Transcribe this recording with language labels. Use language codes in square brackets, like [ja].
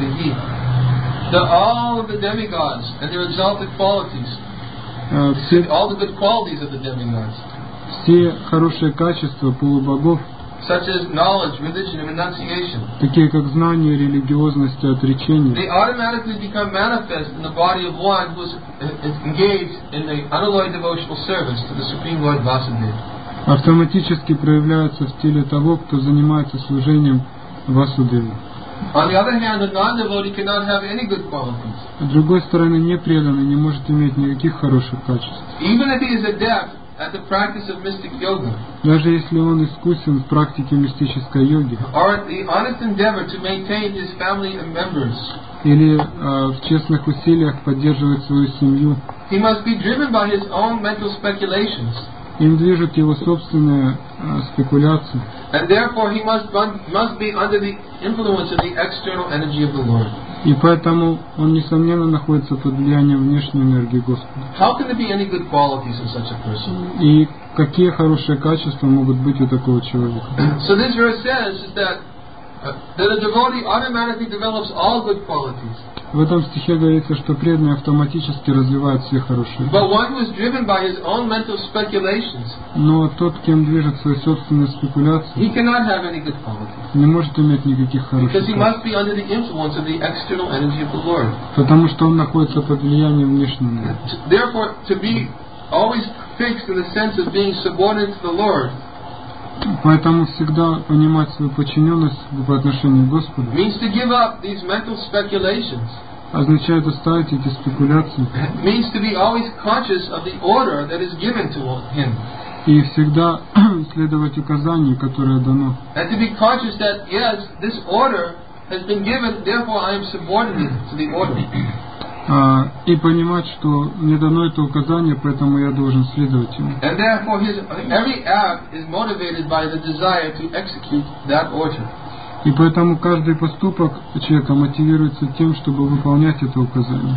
[en] All of the demigods and their exalted qualities. All the good qualities of the demigods. [ru] Все хорошие качества полубогов. [en] Such as knowledge, religion, and renunciation. [ru] Такие как знание, религиозность и отречение. [en] They automatically become manifest in the body of one who is engaged in the unalloyed devotional service to the Supreme Lord Vasudeva. [ru] Автоматически проявляются в теле того, кто занимается служением Васудеве. [en] On the other hand, a non-devotee cannot have any good qualities. [ru] С другой стороны, непреданный не может иметь никаких хороших качеств. [en] Even if he is adept at the practice of mystic yoga. [ru] Даже если он искусен в практике мистической йоги. [en] Or at the honest endeavor to maintain his family and members. [ru] Или в честных усилиях поддерживать свою семью. [en] He must be driven by his own mental speculations. [ru] Им движут его собственные спекуляции. [en] And therefore he must be under the influence of the external energy of the Lord. [ru] И поэтому он, несомненно, находится под влиянием внешней энергии Господа. [en] How can there be any good qualities in such a person? [ru] И какие хорошие качества могут быть у такого человека? [en] So this verse says that a devotee automatically develops all good qualities. [ru] В этом стихе говорится, что преданный автоматически развивает все хорошие. [en] But one was driven by his own mental speculations. [ru] Но тот, кем движет свои собственные спекуляции, [en] he cannot have any good qualities. [ru] Не может иметь никаких хороших качеств. [en] Because he must be under the influence of the external energy of the Lord. [ru] Потому что он находится под влиянием внешней энергии. [en] Therefore, to be always fixed in the sense of being subordinate to the Lord. [ru] Поэтому всегда понимать свою подчиненность по отношению к Господу [en] means to give up these mental speculations. [ru] означает оставить эти спекуляции. [en] Means to be always conscious of the order that is given to him. [ru] И всегда следовать указанию, которое дано. [en] And to be conscious that yes, this order has been given, therefore I am subordinate to the order. [ru] И понимать, что мне дано это указание, поэтому я должен следовать ему. [en] And therefore his every act is motivated by the desire to execute that order. [ru] И поэтому каждый поступок человека мотивируется тем, чтобы выполнять это указание.